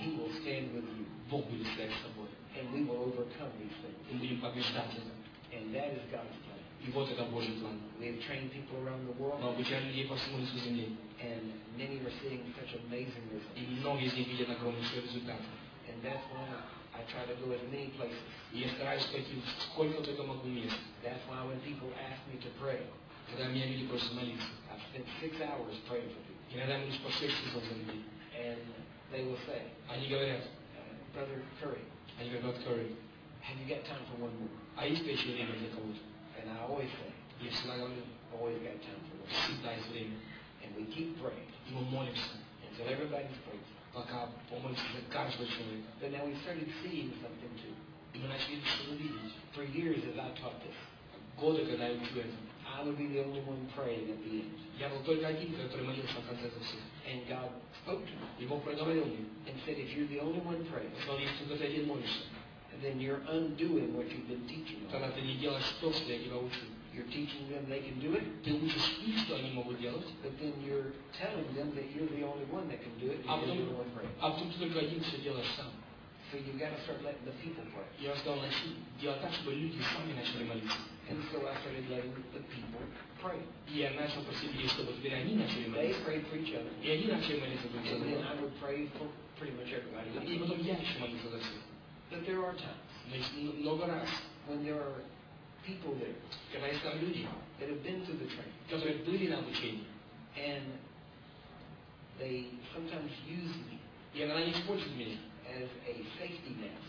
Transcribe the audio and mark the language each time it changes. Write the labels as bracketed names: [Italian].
[English] He will stand with you. [Russian] Бог будет стоять с тобой. [English] And we will overcome these things. [Russian] И мы будем побеждать это. [English] And that is God's plan. [Russian] И вот это Божий план. [English] We have trained people around the world. [Russian] Мы обучали людей по всему лицу земли. [English] And many are seeing such amazing results. [Russian] И многие из них видят огромные свои результаты. [English] And that's why I try to go as many places. [Russian] Я стараюсь пойти в сколько только могу мест. [English] That's why when people ask me to pray, [Russian] когда меня люди просят молиться, [English] I've spent 6 hours praying for people. [Russian] Иногда мне по 6 часов за людей. [English] And they will say, [Russian] они говорят, [English] Brother Curry, [Russian] они говорят, Brother Curry, [English] have you got time for one more? [Russian] А есть ли еще время для кого-то? [English] And I always say, [Russian] я всегда говорю, [English] always got time for one. [Russian] Всегда есть время. [English] And we keep praying. [Russian] И мы молимся. [English] Until everybody's praying. [Russian] Пока помолимся за каждого человека. [English] But now we started seeing something too. [Russian] И мы начали что-то видеть. [English] For years as I taught this, [Russian] годы, когда я учу это, [English] I would be the only one praying at the end. [Russian] Я был только один, который молился в конце этого всего. [English] And God spoke to me. [Russian] И Бог проговорил мне. [English] And said, if you're the only one praying, [Russian] сказал, если только ты один молишься, [English] then you're undoing what you've been teaching. [Russian] Тогда ты не делаешь то, что я тебя учу. [English] You're teaching them they can do it. [Russian] Ты учишь их, что они могут делать. [English] But then you're telling them that you're the only one that can do it. [Russian] А потом, ты только один все делаешь сам. [English] So you've got to start letting the people pray. [Russian] Я стал начать делать так, чтобы люди сами начали молиться. [English] And so I started letting the people pray. [Russian] И я начал просить людей, чтобы теперь они начали молиться. [English] They pray for each other. [Russian] И они начали молиться друг за друга. [English] And then I would pray for pretty much everybody. [Russian] И потом я еще молился за всех. [English] But there are times. [Russian] Много раз. [English] When there are people there, [Russian] когда есть там люди, [English] that have been through the training, [Russian] которые были на обучении, [English] and they sometimes use me, [Russian] и иногда они используют меня, [English] as a safety net,